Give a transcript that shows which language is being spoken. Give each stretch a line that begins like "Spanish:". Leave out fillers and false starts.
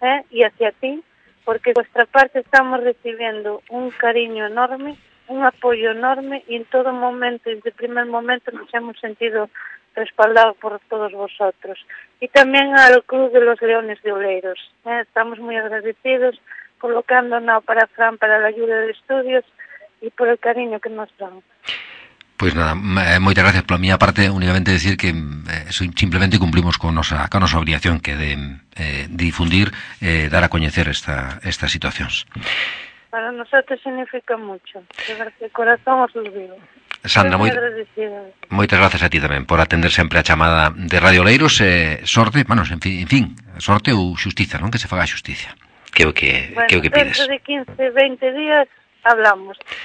Spanish: y hacia ti, porque de vuestra parte estamos recibiendo un cariño enorme, un apoyo enorme, y en todo momento, desde el primer momento, nos hemos sentido respaldado por todos vosotros, y también al Club de los Leones de Oleiros. Estamos muy agradecidos por lo que han donado para Fran, para la ayuda de estudios y por el cariño que nos dan.
Galician: Pues nada, moitas gracias pola miña parte, únicamente decir que simplemente cumplimos con nosa obligación que de difundir, dar a coñecer estas situacións.
Spanish: Para nosotros significa mucho, de corazón os olvido.
Galician: Sandra, moitas gracias a ti tamén por atender sempre a chamada de Radio Leiros, sorte, bueno, en fin, sorte ou xustiza, non? Que se faga xustiza. Que pides.
Spanish: Dentro de 15, 20 días hablamos.